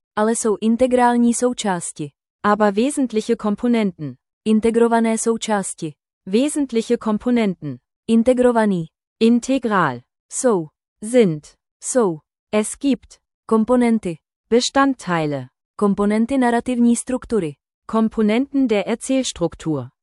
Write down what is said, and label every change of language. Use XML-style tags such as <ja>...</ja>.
<cs>Ale jsou integrální součásti.</cs> <de>Aber wesentliche Komponenten.</de> <cs>Integrované součásti.</cs> <de>Wesentliche Komponenten. Integrovaný. Integral. Jsou. Sind. Jsou. Es gibt. Komponenty. Bestandteile.</de> <cs>Komponenty narrativní struktury.</cs> <de>Komponenten der Erzählstruktur.</de>